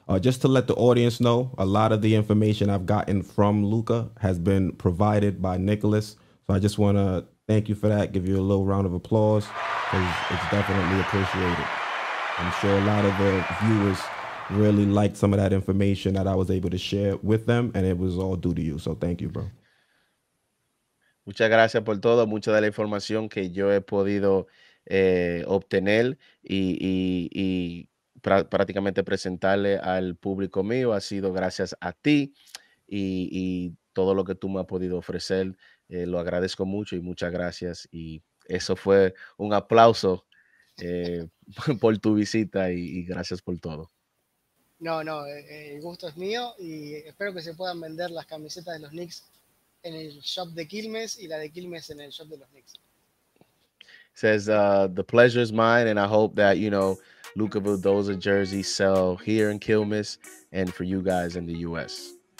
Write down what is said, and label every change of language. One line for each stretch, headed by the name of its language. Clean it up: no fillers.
English: Just to let the audience know, a lot of the information I've gotten from Luca has been provided by Nicholas. So I just want to thank you for that. Give you a little round of applause, because it's definitely appreciated. I'm sure a lot of the viewers really liked some of that information that I was able to share with them, and it was all due to you. So thank you, bro.
Spanish: Muchas gracias por todo. Mucha de la información que yo he podido obtener y prácticamente presentarle al público mío ha sido gracias a ti y todo lo que tú me has podido ofrecer. Lo agradezco mucho y muchas gracias. Y eso fue un aplauso por tu visita y gracias por todo. No, el gusto es mío y espero que se puedan vender las camisetas de los Knicks en el shop de Quilmes y la de Quilmes en el shop de los Knicks.
English: Says the pleasure is mine, and I hope that, you know, Luka Vildoza jerseys sell here in Quilmes and for you guys in the U.S.